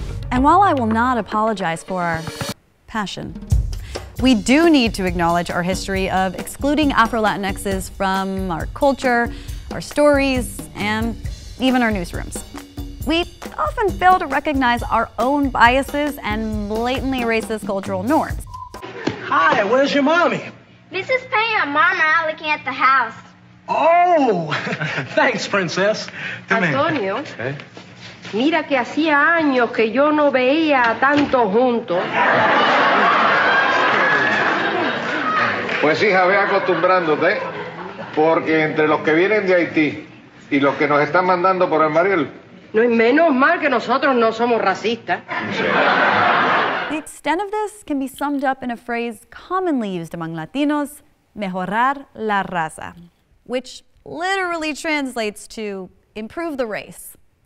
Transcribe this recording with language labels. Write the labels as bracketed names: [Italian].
[English] And while I will not apologize for our passion, we do need to acknowledge our history of excluding Afro-Latinxs from our culture, our stories, and even our newsrooms. We often fail to recognize our own biases and blatantly racist cultural norms. Hi, where's your mommy? This is Pam. Mom and I are looking at the house. Oh, thanks, princess. [Spanish] Come Antonio, mira que hacía años que yo no veía tanto juntos. Pues hija, ve acostumbrándote, porque entre los que vienen de Haití y los que nos están mandando por el Mariel. No, menos mal que nosotros no somos racistas. [English] The extent of this can be summed up in a phrase commonly used among Latinos, [Spanish] mejorar la raza, [English] which literally translates to improve the race.